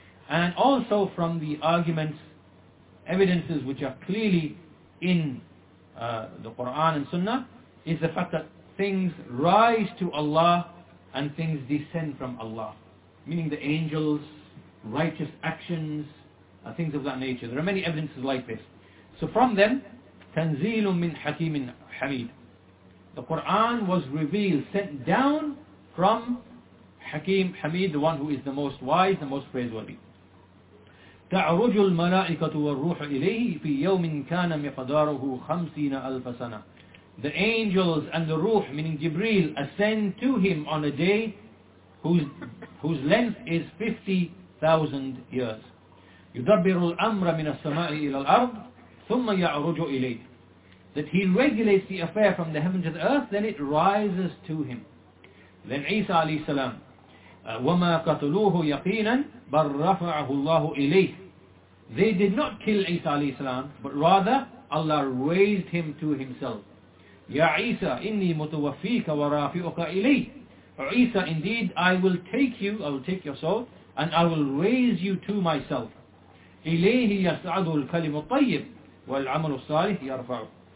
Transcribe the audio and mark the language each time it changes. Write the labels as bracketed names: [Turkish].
[English] And also from the arguments, evidences which are clearly in the Quran and Sunnah, is the fact that things rise to Allah and things descend from Allah. Meaning the angels, righteous actions, things of that nature. There are many evidences like this. [Arabic] So from them, تَنْزِيلٌ مِّنْ حَكِيمٍ حَمِيدٍ. [English] The Quran was revealed, sent down from Hakim Hamid, the one who is the most wise, the most praiseworthy. [Arabic] تَعْرُجُ الْمَلَائِكَةُ وَالْرُوحُ إِلَيْهِ فِي يَوْمٍ كَانَ مِقَدَارُهُ [English] 50,000 years. The angels and the ruh, meaning Jibreel, ascend to him on a day whose length is 50,000 years. [Arabic] يُدَبِّرُ الْأَمْرَ مِنَ السَّمَاءِ إِلَى الْأَرْضِ ثُمَّ يَعْرُجُ إِلَيْهِ. [English] That he regulates the affair from the heaven to the earth, then it rises to him. Then Isa alayhi salam, [Arabic] وَمَا قَتُلُوهُ يَقِينًا بَلْ رَفَعَهُ اللَّهُ إِلَيْهِ. [English] They did not kill Isa alayhi salam, but rather Allah raised him to himself. [Arabic] Ya Isa, inni mutawaffika wa rafi'uka ilayh. [English] Isa, indeed, I will take your soul, and I will raise you to myself. [Arabic] Ilayhi yas'adu al-kalimu tayyib, wal-amalu salih yarfa'u.